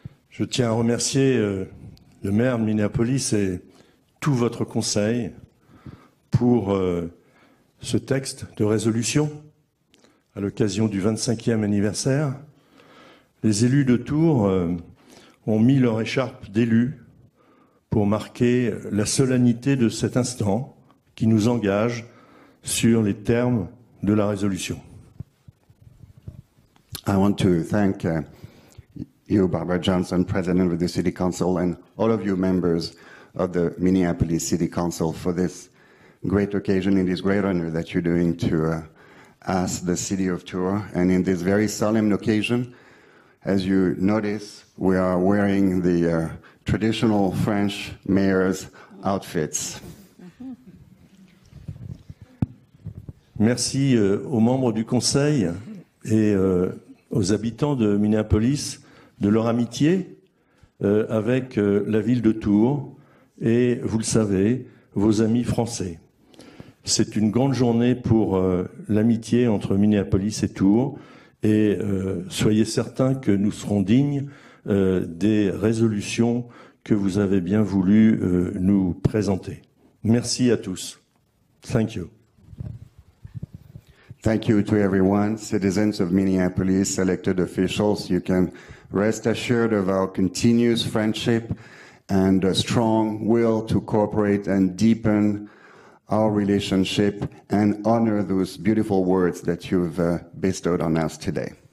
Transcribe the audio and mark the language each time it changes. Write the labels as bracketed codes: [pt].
[fr] Je tiens à remercier le maire de Minneapolis et tout votre conseil pour ce texte de résolution à l'occasion du 25e anniversaire. Les élus de Tours ont mis leur écharpe d'élus pour marquer la solennité de cet instant qui nous engage sur les termes de la résolution. [en] I want to thank you, Barbara Johnson, President of the City Council, and all of you members of the Minneapolis City Council for this great occasion and this great honor that you're doing to ask the city of Tours. And in this very solemn occasion, as you notice, we are wearing the traditional French mayor's outfits. [fr] Merci aux membres du conseil et aux habitants de Minneapolis de leur amitié avec la ville de Tours. Et vous le savez, vos amis français. C'est une grande journée pour l'amitié entre Minneapolis et Tours. Et soyez certains que nous serons dignes des résolutions que vous avez bien voulu nous présenter. Merci à tous. [en] Thank you. Thank you to everyone, citizens of Minneapolis, elected officials. You can rest assured of our continuous friendship and a strong will to cooperate and deepen our relationship and honor those beautiful words that you've bestowed on us today.